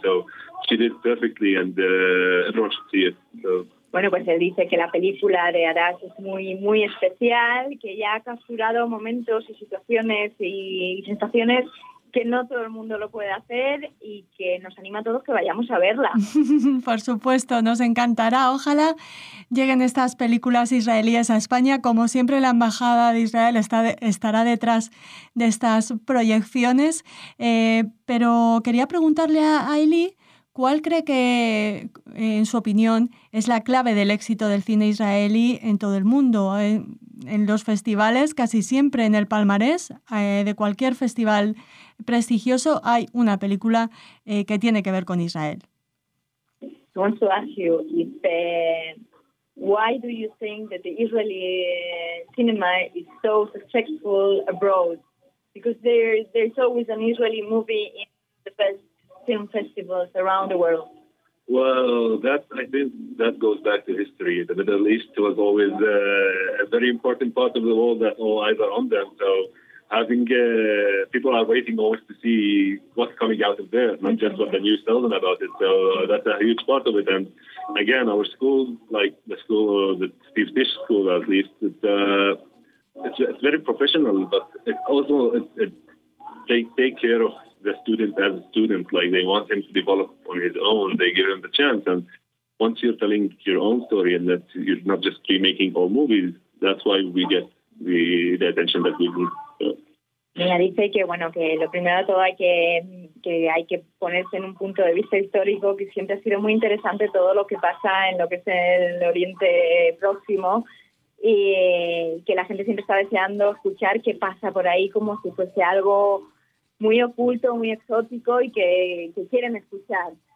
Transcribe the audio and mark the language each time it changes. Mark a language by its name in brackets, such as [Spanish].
[English] So she did perfectly, and everyone should see it. So. [Spanish] Bueno, pues él dice que la película de Hadass es muy, muy especial, que ya ha capturado momentos y situaciones y sensaciones que no todo el mundo lo puede hacer y que nos anima a todos que vayamos a verla. Por supuesto, nos encantará. Ojalá lleguen estas películas israelíes a España. Como siempre, la Embajada de Israel estará detrás de estas proyecciones. Pero quería preguntarle a Eli, ¿cuál cree que, en su opinión, es la clave del éxito del cine israelí en todo el mundo? En los festivales, casi siempre en el palmarés de cualquier festival prestigioso, hay una película que tiene que ver con Israel. [English] I want to ask you if why do you think that the Israeli cinema is so successful abroad? Because there's always an Israeli movie in the best film festivals around the world. Well, I think that goes back to history. The Middle East was always a very important part of the world that all eyes are on them. So I think people are waiting always to see what's coming out of there, not just what the news tells them about it. So that's a huge part of it. And again, our school, like the school, the Steve Tisch school at least, it's very professional, but they take care of the student as a student. Like, they want him to develop on his own. They give him the chance. And once you're telling your own story and that you're not just remaking old movies, that's why we get the attention that we need. [Spanish] Mira, dice que, bueno, que lo primero de todo hay que ponerse en un punto de vista histórico, que siempre ha sido muy interesante todo lo que pasa en lo que es el Oriente Próximo, y que la gente siempre está deseando escuchar qué pasa por ahí, como si fuese algo muy oculto, muy exótico, y que quieren escuchar.